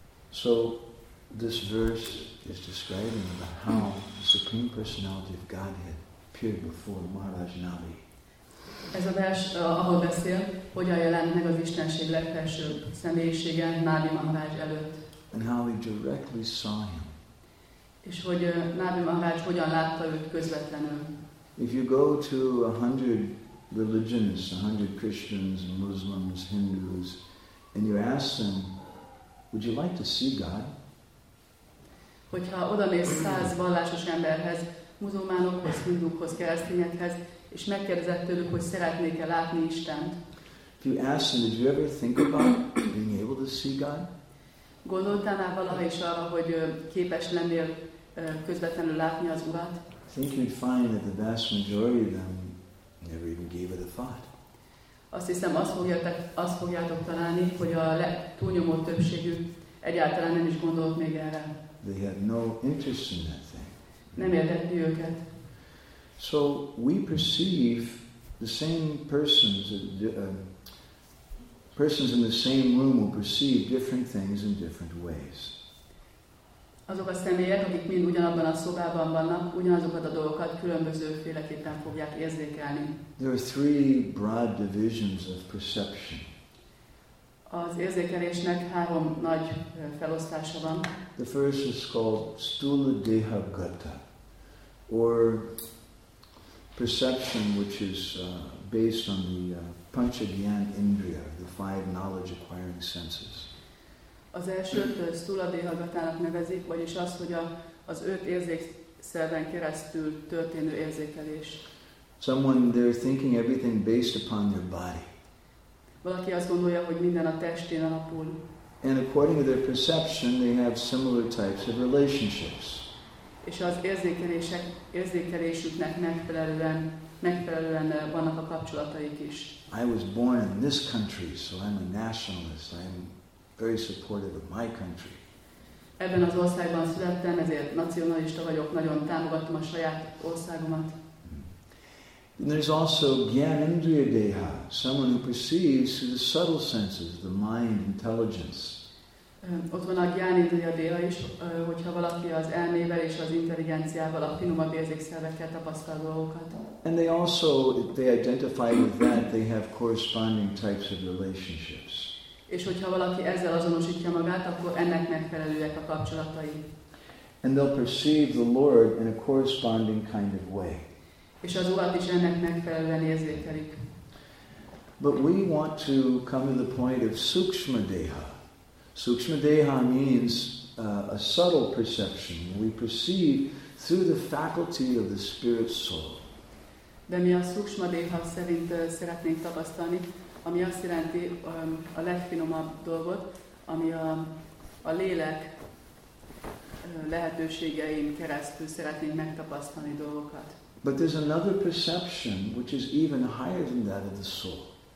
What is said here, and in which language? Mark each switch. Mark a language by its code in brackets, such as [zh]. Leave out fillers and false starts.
[en] So this verse is describing about how the Supreme Personality of Godhead appeared before Maharaj Nali. [hu] Ez a vers, ahol beszél, hogyan jelent meg az Istenség legfelsőbb személyisége Nali Maharaj előtt. [en] And how he directly saw him. [hu] És hogy Nádi Maharaj hogyan látta őt közvetlenül. [en] If you go to 100 religionists, 100 Christians, Muslims, Hindus, and you ask them, would you like to see God? [hu] Hogyha odamész 100 vallásos emberhez, muzulmánokhoz, hindukhoz, keresztényekhez, és megkérdezed tőlük, hogy szeretnék-e látni Istent. [en] If you ask them, did you ever think about being able to see God? [hu] Gondoltál már valaha is arra, hogy képes lennél közvetlenül látni az Urat? [en] I think you'd find that the vast majority of them never even gave it a thought. [hu] Azt hiszem, azt fogjátok találni, hogy a túlnyomó többségük egyáltalán nem is gondolt még erre. [en] They had no interest in that thing. [hu] Nem érdekli őket. [en] So we perceive the same persons persons in the same room will perceive different things in different ways. [hu] Azok a személyek, akik mind ugyanabban a szobában vannak, ugyanazokat a dolgokat különböző féleképpen fogják érzékelni. [en] There are three broad divisions of perception. [hu] Az érzékelésnek három nagy felosztása van. [en] The first is called stula deha gata, or perception which is based on the panchagyan indriya, the five knowledge acquiring senses. [hu] Az elsőt stula deha gatának nevezik, vagyis az, hogy az öt érzékszerven keresztül történő érzékelés. [en] Someone they're thinking everything based upon their body. [hu] Valaki azt gondolja, hogy minden a testén alapul. [en] And according to their perception, they have similar types of relationships. [hu] És az érzékelésüknek megfelelően vannak a kapcsolataik is. [en] I was born in this country, so I'm a nationalist. I'm very supportive of my country. [hu] Ebben az országban születtem, ezért nacionalista vagyok, nagyon támogatom a saját országomat. [en] And there's also gyanendriya deha, someone who perceives through the subtle senses, the mind, intelligence. [hu] Ott van a gyanendriya deha is, hogyha valaki az elmével és az intelligenciával a finomabb érzékszerveket tapasztal dolgokat. [en] And they also, if they identify with that, they have corresponding types of relationships. [hu] És hogyha valaki ezzel azonosítja magát, akkor ennek megfelelőek a kapcsolatai. [en] And they'll perceive the Lord in a corresponding kind of way. [hu] És az Urat is ennek megfelelően érzékelik. [en] But we want to come to the point of sukshma deha. Sukshma deha means a subtle perception. We perceive through the faculty of the spirit soul. [hu] De mi a sukshma deha szerint szeretnénk tapasztalni, ami azt jelenti a legfinomabb dolgot, ami a lélek lehetőségein keresztül szeretnénk megtapasztalni dolgokat. [en] But there's another perception which is even higher than that of the soul.